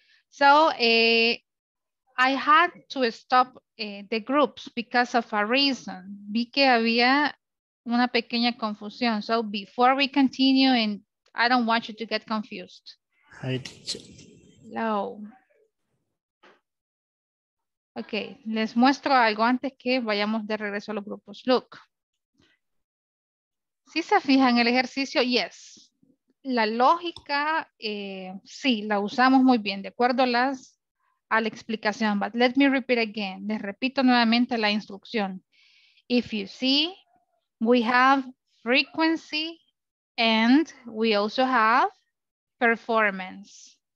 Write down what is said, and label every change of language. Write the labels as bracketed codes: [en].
[en] So I had to stop the groups because of a reason. [es] Vi que había una pequeña confusión. [en] So before we continue, and I don't want you to get confused. Hi, teacher. Hello. [es] Okay, les muestro algo antes que vayamos de regreso a los grupos. Look. ¿Sí se fijan en el ejercicio? Yes. La lógica, sí, la usamos muy bien, de acuerdo a la explicación. [en] But let me repeat again. [es] Les repito nuevamente la instrucción. [en] If you see, we have frequency and we also have performance.